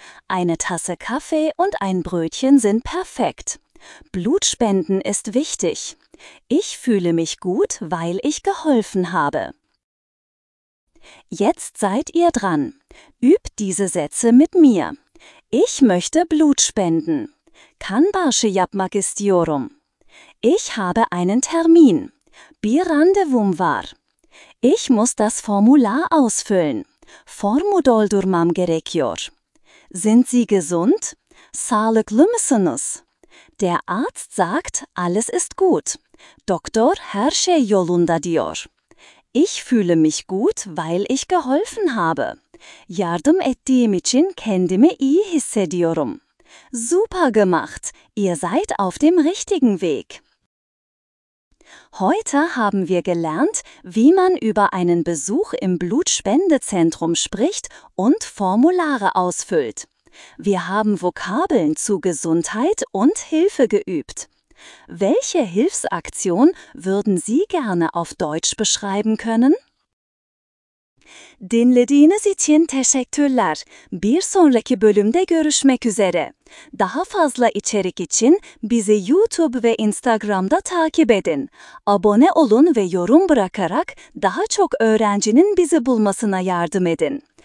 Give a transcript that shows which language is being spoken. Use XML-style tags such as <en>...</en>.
<de>Eine Tasse Kaffee und ein Brötchen sind perfekt. Blutspenden ist wichtig. Ich fühle mich gut, weil ich geholfen habe. Jetzt seid ihr dran. Übt diese Sätze mit mir. Ich möchte Blut spenden.</de> <tr>Kan başı yapmak istiyorum.</tr> <de>Ich habe einen Termin.</de> <tr>Bir randevum var.</tr> <de>Ich muss das Formular ausfüllen.</de> <tr>Formu doldurmam gerekiyor.</tr> <de>Sind Sie gesund?</de> <tr>Sağlıklı mısınız?</tr> <de>Der Arzt sagt, alles ist gut.</de> <tr>Doktor her şey yolunda diyor.</tr> <de>Ich fühle mich gut, weil ich geholfen habe.</de> <tr>Yardım ettiğim için kendimi iyi hissediyorum.</tr> <de>Super gemacht! Ihr seid auf dem richtigen Weg. Heute haben wir gelernt, wie man über einen Besuch im Blutspendezentrum spricht und Formulare ausfüllt. Wir haben Vokabeln zu Gesundheit und Hilfe geübt. Welche Hilfsaktion würden Sie gerne auf Deutsch beschreiben können?</de> <tr>Dinlediğiniz için teşekkürler. Bir sonraki bölümde görüşmek üzere. Daha fazla içerik için bizi YouTube ve Instagram'da takip edin. Abone olun ve yorum bırakarak daha çok öğrencinin bizi bulmasına yardım edin.</tr>